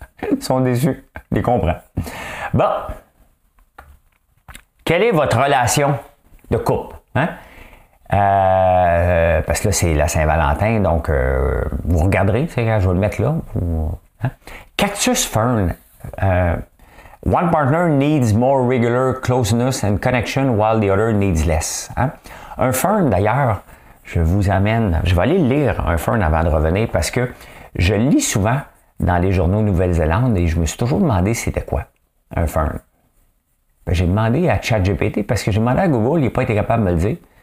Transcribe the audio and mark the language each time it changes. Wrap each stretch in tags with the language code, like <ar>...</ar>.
<fr>Ils sont déçus. Ils comprennent. Bon. Quelle est votre relation de couple? Hein? Parce que là, c'est la Saint-Valentin, donc vous regarderez, c'est quand je vais le mettre là. Hein? Cactus Fern.</fr> <en>One partner needs more regular closeness and connection while the other needs less.</en> <fr>Hein? Un fern, d'ailleurs, je vous amène, je vais aller lire un fern avant de revenir parce que je lis souvent dans les journaux Nouvelle-Zélande et je me suis toujours demandé c'était quoi un fern. Ben, j'ai demandé à ChatGPT parce que j'ai demandé à Google, il n'a pas été capable de me le dire.</fr>